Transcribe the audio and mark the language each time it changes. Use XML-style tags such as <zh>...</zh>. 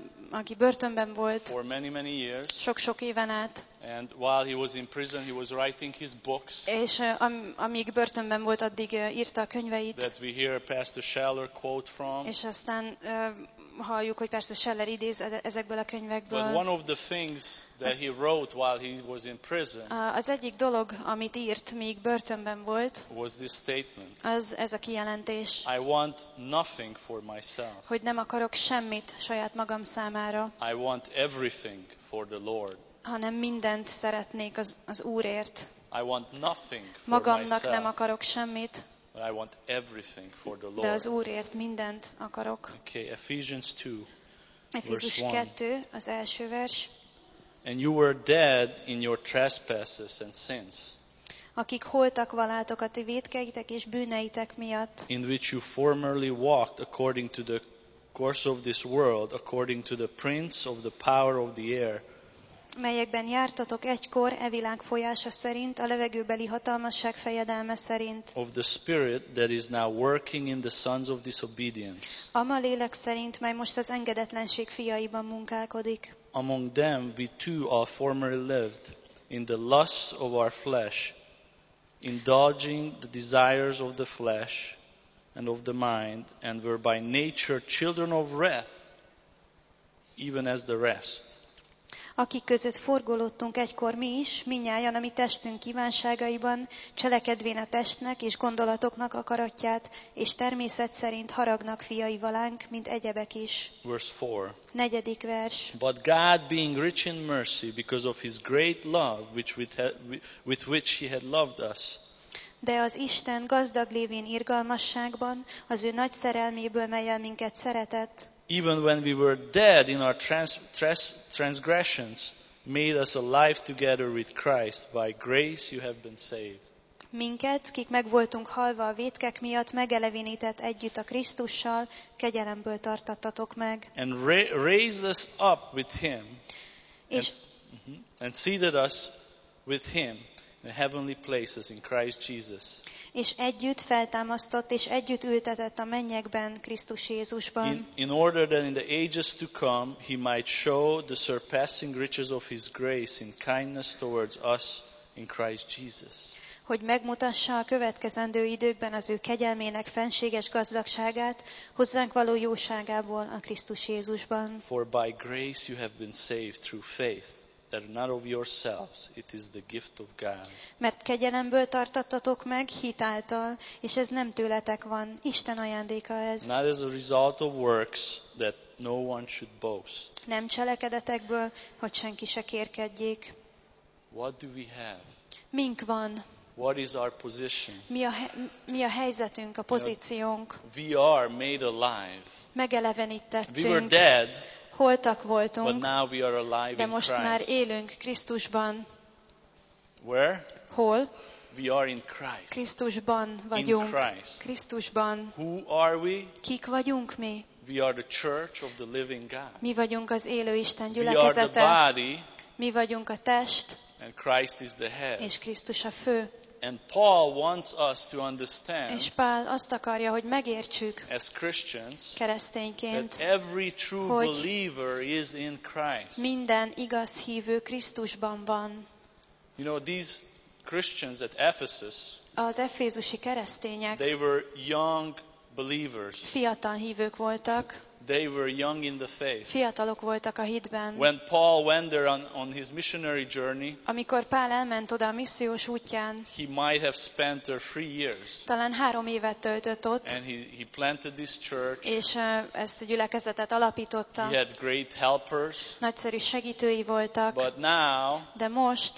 <hu>Aki börtönben volt.</hu> <en>For many many years.</en> <hu>Sok éven át.</hu> <en>And while he was in prison, he was writing his books.</en> <hu>És amíg börtönben volt, addig írta a könyveit.</hu> <en>That we hear Pastor Scheller quote from.</en> <hu>És aztán halljuk, hogy persze Scheller idéz ezekből a könyvekből.</hu> <en>But one of the things that he wrote while he was in prison.</en> <hu>Az egyik dolog, amit írt, míg börtönben volt.</hu> <en>Was this statement.</en> <hu>Az ez a kijelentés.</hu> <en>I want nothing for myself.</en> <hu>Hogy nem akarok semmit saját magam számára.</hu> <en>I want everything for the Lord.</en> <hu>Hanem mindent szeretnék az Úrért.</hu> <en>I want nothing for</en> <hu>magamnak</hu> <en>myself.</en> <hu>Nem akarok semmit.</hu> <en>But I want everything for the Lord.</en> <hu>De az Úrért mindent akarok.</hu> <en>Okay, Ephesians 2.</en> <hu>Efézus 2, az első vers.</hu> <en>And you were dead in your trespasses and sins.</en> <hu>Akik holtak valátok a ti vétkeitek és bűneitek miatt.</hu> <en>In which you formerly walked according to the course of this world, according to the prince of the power of the air.</en> <hu>Melyekben jártatok egykor e világ folyása szerint, a levegőbeli hatalmasság fejedelme szerint.</hu> <en>Of the spirit that is now working in the sons of disobedience.</en> <hu>Ama lélek szerint, mely most az engedetlenség fiaiban munkálkodik.</hu> <en>Among them we too all formerly lived in the lusts of our flesh, indulging the desires of the flesh and of the mind, and were by nature children of wrath, even as the rest.</en> <hu>Akik között forgolódtunk egykor mi is, minnyájan a mi testünk kívánságaiban, cselekedvén a testnek és gondolatoknak akaratját, és természet szerint haragnak fiai valánk, mint egyebek is.</hu> <en>Verse 4.</en> <hu>Negyedik vers.</hu> <en>But God being rich in mercy because of his great love with which he had loved us.</en> <hu>De az Isten gazdag lévén irgalmasságban, az ő nagy szerelméből, melyel minket szeretett.</hu> <en>Even when we were dead in our transgressions, made us alive together with Christ. By grace you have been saved.</en> <hu>Minket, kik megvoltunk halva a vétkek miatt, megelevinített együtt a Krisztussal, kegyelemből tartattatok meg.</hu> <en>And raised us up with him, and seated us with him in the heavenly places in Christ Jesus.</en> <hu>És együtt feltámasztott és együtt ültetett a mennyekben Krisztus Jézusban.</hu> <en>In order that in the ages to come he might show the surpassing riches of his grace in kindness towards us in Christ Jesus.</en> <hu>Hogy megmutassa a következendő időkben az ő kegyelmének fenséges gazdagságát hozzánk való jóságából a Krisztus Jézusban.</hu> <en>For by grace you have been saved through faith. That not of yourselves, it is the gift of God.</en> <hu>Mert kegyelemből tartattatok meg hitáltal, és ez nem tőletek van, Isten ajándéka ez.</hu> <en>Not as a result of works that no one should boast.</en> <hu>Nem cselekedetekből, hogy senki se kérkedjék.</hu> <en>What do we have?</en> <hu>Mink van?</hu> <en>What is our position?</en> <hu>Mi a helyzetünk, a pozíciónk?</hu> <en>You know, we are made alive.</en> <hu>Megelevenítettünk.</hu> <en>We were dead.</en> <hu>Holtak voltunk,</hu> <en>but now we are alive</en> <hu>de most</hu> <en>in Christ.</en> <hu>Már élünk Krisztusban.</hu> <en>Where?</en> <hu>Hol?</hu> <en>We are in Christ.</en> <hu>Krisztusban vagyunk.</hu> <en>In Christ.</en> <hu>Krisztusban.</hu> <en>Who are we?</en> <hu>Kik vagyunk mi?</hu> <en>We are the church of the living God.</en> <hu>Mi vagyunk az élő Isten gyülekezete.</hu> <en>We are the body.</en> <hu>Mi vagyunk a test.</hu> <en>And Christ is the head.</en> <hu>És Krisztus a fő.</hu> <en>And Paul wants us to understand.</en> <hu>És Pál azt akarja, hogy megértsük.</hu> <en>As Christians.</en> <hu>Keresztényként.</hu> <en>That every true believer is in Christ.</en> <hu>Minden igaz hívő Krisztusban van.</hu> <en>You know, these Christians at Ephesus.</en> <hu>Az efézusi keresztények.</hu> <en>They were young believers.</en> <hu>Fiatal hívők voltak.</hu> <en>They were young in the faith.</en> <hu>Fiatalok voltak a hitben.</hu> <en>When Paul went there on his missionary journey,</en> <hu>amikor Pál elment oda a missziós útján,</hu> <en>he might have spent there 3 years.</en> <hu>Talán 3 évet töltött ott.</hu> <en>And he planted this church.</en> <hu>És ezt a gyülekezetet alapította.</hu> <en>He had great helpers.</en> <hu>Nagyszerű segítői voltak.</hu> <en>But now,</en> <hu>de most,</hu>